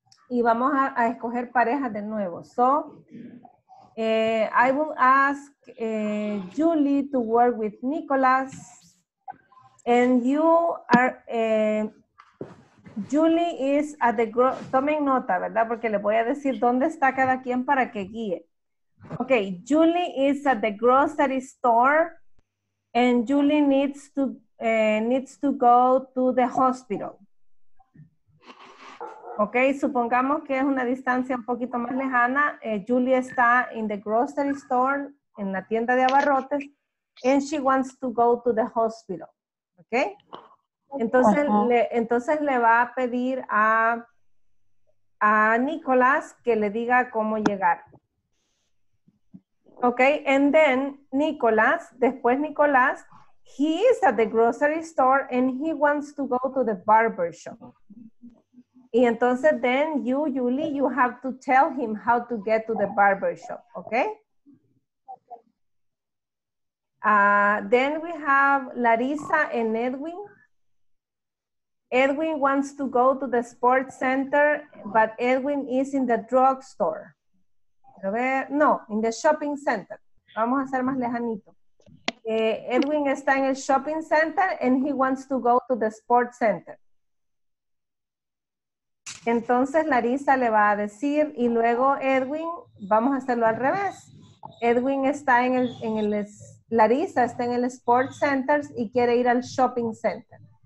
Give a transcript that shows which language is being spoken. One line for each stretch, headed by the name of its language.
Spanish: Y vamos a escoger parejas de nuevo.
English: So, I will ask Julie to work with Nicholas, and you are, Julie is at the,
Spanish: tomen nota, ¿verdad? Porque le voy a decir dónde está cada quien para que guíe.
English: Okay, Julie is at the grocery store, and Julie needs to go to the hospital.
Spanish: Ok, supongamos que es una distancia un poquito más lejana.
English: Julie está in the grocery store,
Spanish: en la tienda de abarrotes,
English: and she wants to go to the hospital.
Spanish: Ok, entonces, uh-huh. entonces le va a pedir a Nicholas que le diga cómo llegar.
English: Ok, and then Nicholas, después Nicholas, he is at the grocery store and he wants to go to the barber shop.
Spanish: Y entonces,
English: then you, Julie, you have to tell him how to get to the barbershop, okay? Then we have Larissa and Edwin. Edwin wants to go to the sports center, but Edwin is in the drugstore.
Spanish: A ver, no,
English: in the shopping center.
Spanish: Vamos a ser más lejanito.
English: Edwin
Spanish: está en el
English: shopping center and he wants to go to the sports center.
Spanish: Entonces Larissa le va a decir, y luego Edwin, vamos a hacerlo al revés. Edwin está Larissa está en el Sports Center y quiere ir al Shopping Center.